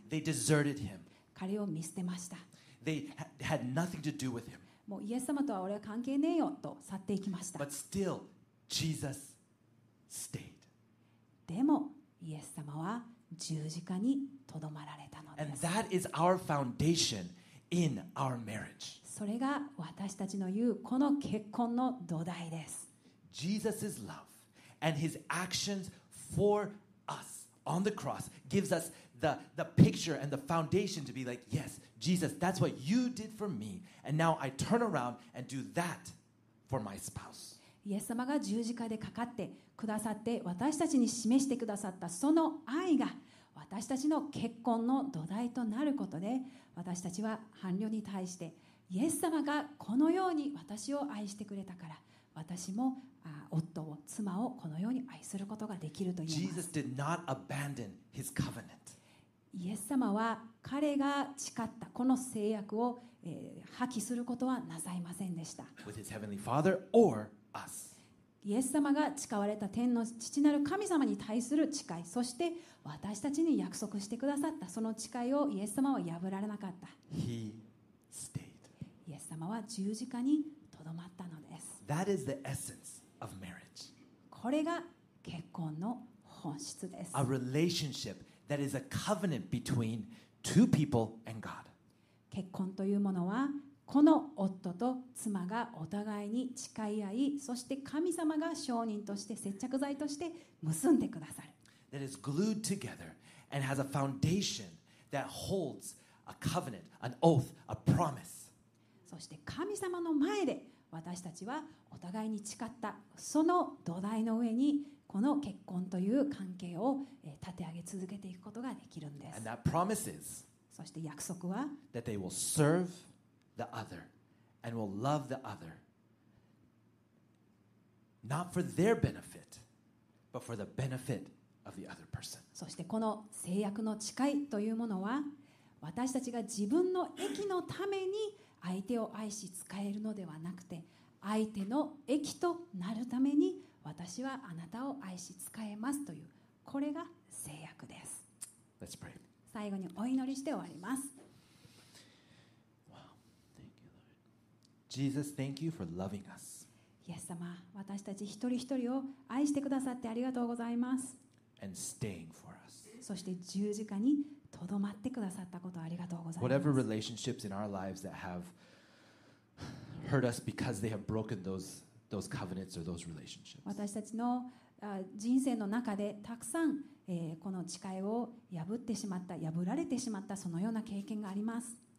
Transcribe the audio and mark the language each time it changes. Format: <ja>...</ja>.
<en>They deserted him.</en> <ja>彼を見捨てました。</ja> <en>They had nothing to do with him.</en> <ja>もうイエス様とは俺は関係ねえよと去っていきました。</ja> <en>But still, Jesus stayed.</en> <ja>でもイエス様は十字架にとどまられたのです。</ja> <en>And that is our foundation in our marriage.</en> <ja>それが私たちの言うこの結婚の土台です。</ja> <en>Jesus's love and his actionsFor us on the cross gives us the picture and the foundation to be like, yes, Jesus, that's what you did for me, and now I turn around and do that for my spouse.</en> <ja>イエス様が十字架でかかってくださって私たちに示してくださったその愛が私たちの結婚の土台となることで私たちは伴侶に対してイエス様がこのように私を愛してくれたから私も夫を妻をこのように愛することができると言います。</ja> <en>Jesus did not abandon his covenant.</en> <ja>イエス様は彼が誓ったこの誓約を破棄することはなさいませんでした。</ja> <en>With his heavenly father or us.</en> <ja>イエス様が誓われた天の父なる神様に対する誓い、そして私たちに約束してくださったその誓いをイエス様は破られなかった。</ja> <en>He stayed.</en> <ja>イエス様は十字架にとどまったのです。</ja> <en>That is the essence of marriage.</en> <ja>これが結婚の本質です。</ja> <en>A relationship that is a covenant between two people and God.</en> <ja>結婚というものはこの夫と妻がお互いに誓い合い、そして神様が証人として接着剤として結んでくださる。</ja> <en>That is glued together and has a foundation that holds a covenant, an oath, a promise.</en> <ja>そして神様の前で私たちはお互いに誓ったその土台の上にこの結婚という関係を立て上げ続けていくことができるんです。</ja> <en>And that promise is</en> <ja>そして約束は</ja> <en>that they will serve the other and will love the other not for their benefit but for the benefit of the other person.</en> <ja>そしてこの誓約の誓いというものは私たちが自分の益のために相手を愛し使えるのではなくて相手の益となるために私はあなたを愛し使えますというこれが誓約です。</ja> <en>Let's pray.</en> <ja>最後にお祈りして終わります。</ja> <en>Wow. Thank you, Lord. Jesus, thank you for loving us.</en> <ja>イエス様、私たち一人一人を愛してくださってありがとうございます。</ja> <en>And staying for us.</en> <ja>そして十字架にとどまってくださったことありがとうございます。</ja> <en>Whatever relationships in our lives that have hurt us because they have broken those covenants or those relationships.</en> <ja>私たちの人生の中でたくさん、この誓いを破ってしまった、破られてしまったそのような経験があります。</ja>